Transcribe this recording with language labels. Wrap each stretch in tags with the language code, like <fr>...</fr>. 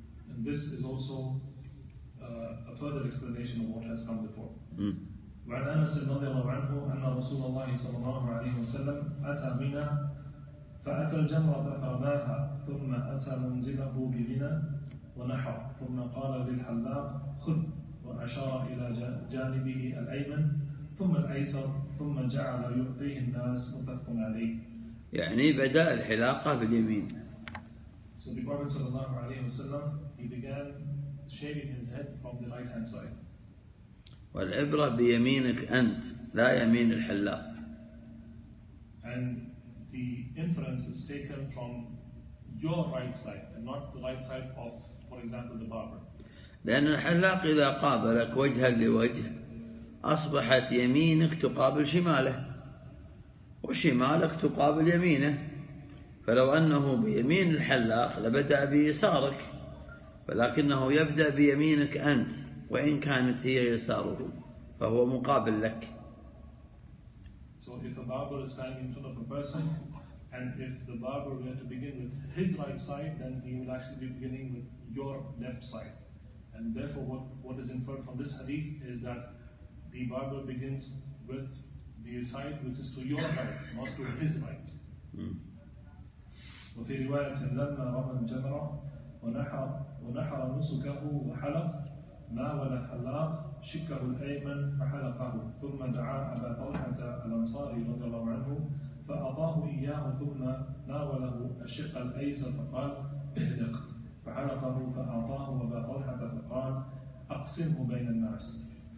<en>And this is also a further explanation of what has come before.</en> <ar>وعن أنس رضي الله عنه أن رسول الله صلى الله عليه وسلم أتى منى فأتى الجمرة فرماها ثم أتى منزله بمنى ونحر ثم قال للحلاق خذ وأشار إلى جانبه الأيمن ثم الأيسر ثم جعل يعطيه الناس متفق عليه. يعني بدأ الحلاقة باليمين.</ar> <en>So the Prophet</en> <ar>صلى الله عليه وسلم</ar> <en>he began shaving his head from the right hand side.</en> <ar>والعبرة بيمينك أنت لا يمين الحلاق.</ar> <en>And the inference is taken from your right side and not the right side of, for example, the barber.</en> <ar>لأن الحلاق إذا قابلك وجها لوجه أصبحت يمينك تقابل شماله وشمالك تقابل يمينه. فلو أنه بيمين الحلاق لبدأ بيسارك، ولكنه يبدأ بيمينك أنت وإن كانت هي يساره فهو مقابل لك.</ar> <en>So if a barber is standing in front of a person and if the barber were to begin with his right side then he will actually be beginning with your left side. And therefore what is inferred from this hadith is that the barber begins with the side which is to your right not to his right.</en> <ar>وفي رواية لما رمى الجمرة ونحر نسكه وحلق ناول الحلاق شكه الأيمن فحلقه ثم دعا أبا طلحة الأنصاري رضي الله عنه فأعطاه إياه ثم ناوله الشق الأيسر فقال اهلق فحلقه فأعطاه أبا طلحة فقال أقسمه بين الناس.</ar>